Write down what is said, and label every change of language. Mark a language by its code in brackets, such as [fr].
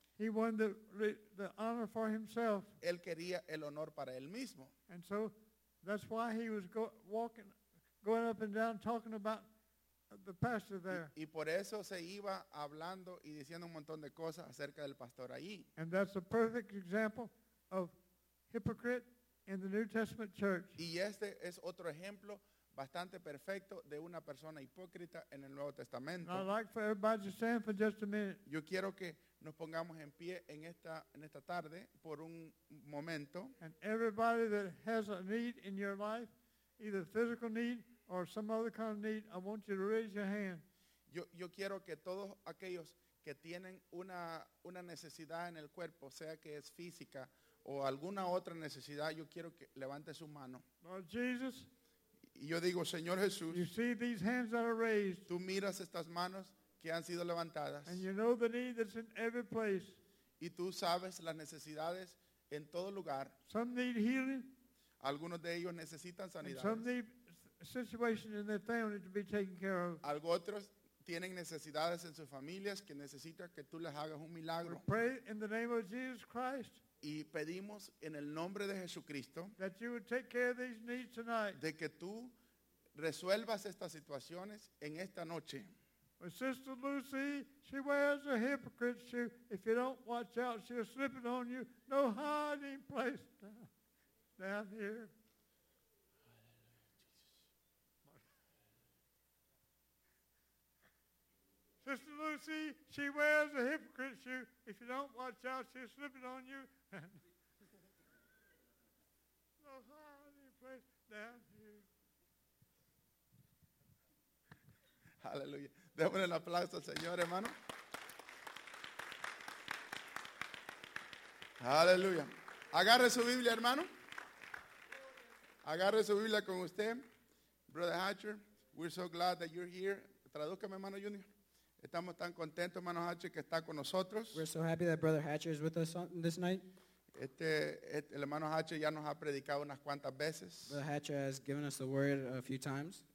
[en] he wanted the honor for himself. [es] Él quería el honor para él mismo. [en] And so that's why he was going up and down talking about the pastor there. [es] Y por eso se iba hablando y diciendo un montón de cosas acerca del pastor allí. [en] And that's a perfect example of hypocrite in the New Testament church. [es] Y este es otro ejemplo bastante perfecto de una persona hipócrita en el Nuevo Testamento. [en] And I'd like for everybody to stand for just a minute. [es] Yo quiero que nos pongamos en pie en esta tarde por un momento. [en] And everybody that has a need in your life, either physical need or some other kind of need, I want you to raise your hand. [es] Yo quiero que todos aquellos que tienen una necesidad en el cuerpo, sea que es física o alguna otra necesidad, yo quiero que levante su mano. [en] Lord Jesus, [es] y yo digo, Señor Jesús, [en] you see these hands that are raised, [es] tú miras estas manos que han sido levantadas, [en] and you know the need that's in every place, [es] y tú sabes las necesidades en todo lugar. [en] Some need healing, [es] algunos de ellos necesitan sanidad. [en] Some need situations in their family to be taken care of. [es] Algunos otros tienen necesidades en sus familias que necesitan que tú les hagas un milagro. [en] We pray in the name of Jesus Christ. [es] Y pedimos en el nombre de Jesucristo [en] that you would take care of these needs tonight. [es] De que tú resuelvas estas situaciones en esta noche. [en] But Sister Lucy, she wears a hypocrite shoe. If you don't watch out, she'll slip it on you. No hiding place down here. Sister Lucy, she wears a hypocrite shoe. If you don't watch out, she'll slip it on you. No hiding place down here. [es] Hallelujah. Démosle un aplauso al Señor, hermano. Aleluya. Agarre su Biblia, hermano. Agarre su Biblia con usted. [en] Brother Hatcher, we're so glad that you're here. [es] Tradúzcame, hermano Junior. Estamos tan contentos, hermano Hatcher, que está con nosotros. [en] We're so happy that Brother Hatcher is with us this night. [es] El hermano Hatcher ya nos ha predicado unas cuantas veces. [en] Brother Hatcher has given us the word a few times.